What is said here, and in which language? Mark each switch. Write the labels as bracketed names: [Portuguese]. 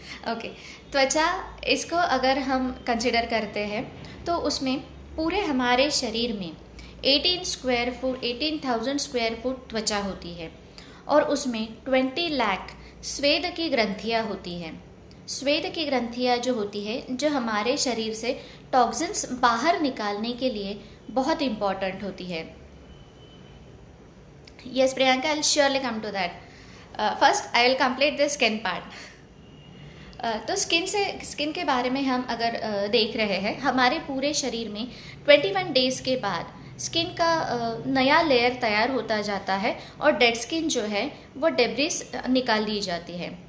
[Hindi] Okay, त्वचा इसको अगर हम कंसिडर करते हैं तो उसमें पूरे हमारे शरीर में 18,000 स्क्वायर फुट त्वचा होती है और उसमें 20 लाख स्वेद की ग्रंथियां होती हैं. स्वेद की ग्रंथियां जो होती है जो हमारे शरीर से टॉक्सिन्स बाहर निकालने के लिए बहुत इम्पॉर्टेंट होती है. [English] Yes Priyanka, I will surely come to that. First I will complete the skin part. [Hindi] तो स्किन के बारे में हम अगर देख रहे हैं हमारे पूरे शरीर में 21 डेज के बाद स्किन का नया लेयर तैयार होता जाता है और डेड स्किन जो है वो डेब्रिस निकाल दी जाती है.